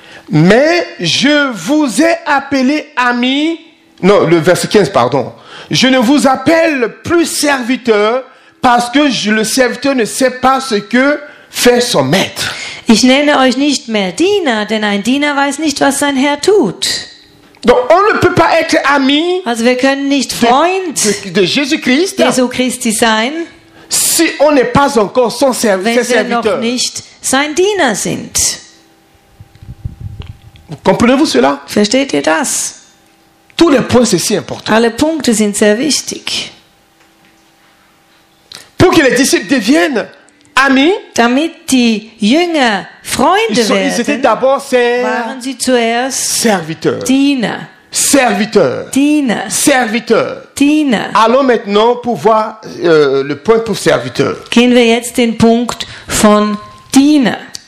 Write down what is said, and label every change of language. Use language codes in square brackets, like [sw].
[fr] Mais je vous ai appelé ami. Non, le verset 15, pardon. Je ne vous appelle plus serviteur. Parce que le serviteur ne sait pas ce que fait son maître. [de] Ich nenne euch nicht mehr Diener, denn ein Diener weiß nicht, was sein Herr tut. [fr] Donc on ne peut pas être ami. [de] Also wir können nicht Freund [fr] de Jésus-Christ. [de] Jesu Christi sein. [fr] Si on n'est pas encore son serviteur. [de] Wenn wir noch nicht sein Diener sind. [fr] Comprenez-vous cela? [de] Versteht ihr das? [fr] Tous les points sont si importants. [de] Alle Punkte sind sehr wichtig. [fr] Pour que les disciples deviennent amis, [de] damit die Jünger Freunde [fr] ils sont, [de] werden, [fr] ils étaient d'abord ses [de] waren sie zuerst [fr] serviteurs. [de] Diener. [fr] Serviteurs. [de] Diener. [fr] Serviteurs. [de] Diener. [fr] Allons maintenant pour voir le point pour serviteur. [de] Gehen wir jetzt den Punkt von Diener.